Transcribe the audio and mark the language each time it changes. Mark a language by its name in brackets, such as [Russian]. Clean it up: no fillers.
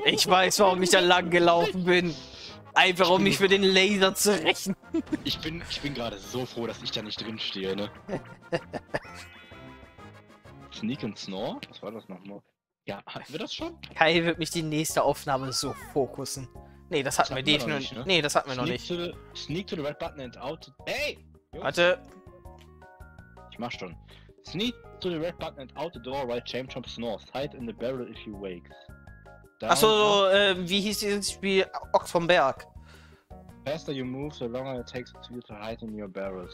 [German] Ich weiß, warum ich da lang gelaufen bin. Einfach um mich für den Laser zu rächen. Ich bin gerade so froh, dass ich da nicht drin stehe, ne? Sneak and Snore? Was war das nochmal? Ja, hatten wir das schon? Kai wird mich die nächste Aufnahme so fokussen. Nee, das hatten wir definitiv noch nicht. Ne? Nee, das hatten wir [English] sneak [German] noch nicht. [English] Sneak to the red button and out. Hey! [German] Jungs. Warte! Ich mach schon. [English] Sneak to the red button and out the door while James Trump snores. Hide in the barrel if he wakes. [German] Achso, wie hieß dieses Spiel? Ochs vom Berg. [English] faster you move, the longer it takes for you to hide in your barrel.